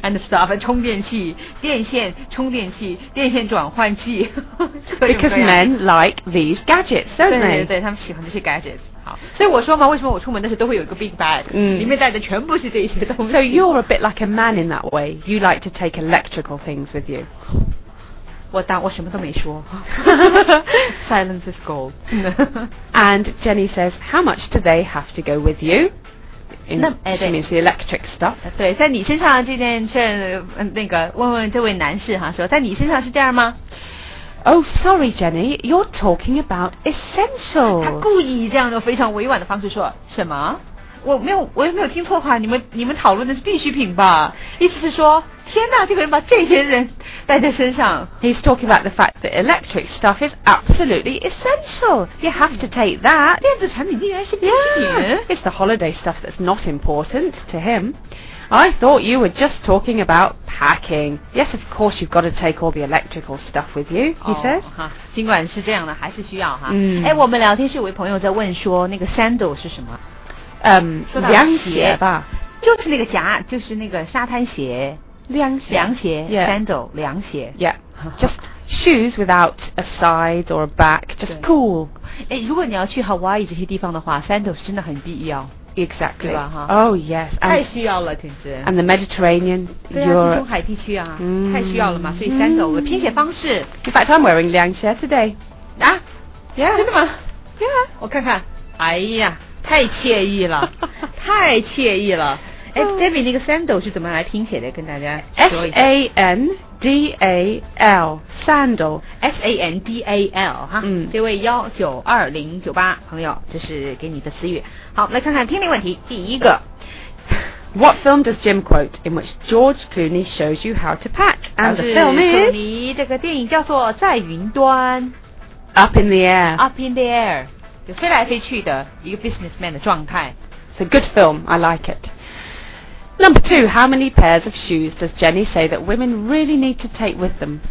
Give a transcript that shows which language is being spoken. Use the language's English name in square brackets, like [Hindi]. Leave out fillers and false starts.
[English] and stuff, [Chinese] 充电器、电线、充电器、电线转换器。 [English] Because men like these gadgets, don't they? [Chinese] 对，他们喜欢这些 gadgets. 好，所以我说嘛，为什么我出门的时候都会有一个 big bag，里面带的全部是这些东西。 [English] So you're a bit like a man in that way. You like to take electrical things with you. [Chinese] 我什么都没说。 [English] Silence is gold. And Jenny says, how much do they have to go with you? She means the electric stuff. [Chinese] 对，在你身上这件事，那个问问这位男士哈，说在你身上是这样吗？ [English] Oh, sorry, Jenny, you're talking about essentials. [Chinese] 他故意这样的非常委婉的方式说什么？我没有听错的话，你们讨论的是必需品吧？意思是说，天哪，这个人把这些人带在身上。 [English] He's talking about the fact that electric stuff is absolutely essential. You have to take that. [Chinese] 电子产品竟然是必需品。 [English] Yeah, it's the holiday stuff that's not important to him. I thought you were just talking about packing. Yes, of course, you've got to take all the electrical stuff with you, he says. [Chinese] 尽管是这样的，还是需要哈。哎，我们聊天室有位朋友在问说，那个 sandal 是什么？凉鞋吧。就是那个夹，就是那个沙滩鞋。凉鞋。凉鞋。Yeah. Sandal, 凉鞋。 [English] Yeah. Just shoes without a side or a back, just cool. [Chinese] 哎，如果你要去 Hawaii 这些地方的话， sandal 真的很必要。 [English] Exactly. [Chinese] 对吧, [English] huh? Oh, yes. [Chinese] And, 太需要了, 简直。 [English] And the Mediterranean, you're... [Chinese] 对啊, 地中海地区啊, 太需要了嘛, 所以sandal, 我的拼写方式。 [English] In fact, I'm wearing 凉鞋 today. [Chinese] 啊? [English] Yeah. [Chinese] 真的吗? [English] Yeah. [Chinese] 我看看。哎呀, 太惬意了。太惬意了。哎, Demi, 那个sandal 是怎么来拼写的? 跟大家说一下。 [English] S-A-N-D-A-L, sandal. S-A-N-D-A-L, 哈。 [Chinese] 这位192098朋友, 这是给你的词语。好，来看看听力问题。第一个 [English] ，What film does Jim quote in which George Clooney shows you how to pack? And the film is [Chinese] 库尼这个电影叫做《在云端》 [English] ，Up in the air. Up in the air， [Chinese] 就飞来飞去的一个 businessman 的状态。 [English] It's a good film. I like it. Number two, how many pairs of shoes does Jenny say that women really need to take with them?